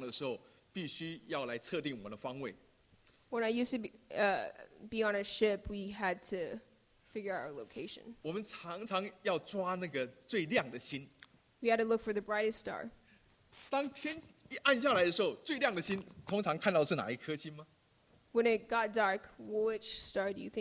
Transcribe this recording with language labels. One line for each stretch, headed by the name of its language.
Chinese: 记得以前我在海上的时候呢，我们特别在黎明的时候，还有那个夕阳的时候，必须要来测定我们的方位。
English: When I used to be on a ship, we had to figure out our location.
Chinese: 我们常常要抓那个最亮的星。
English: We had to look for the brightest star.
Chinese: 当天一暗下来的时候，最亮的星通常看到是哪一颗星吗？
English: When it got dark, which star do you think?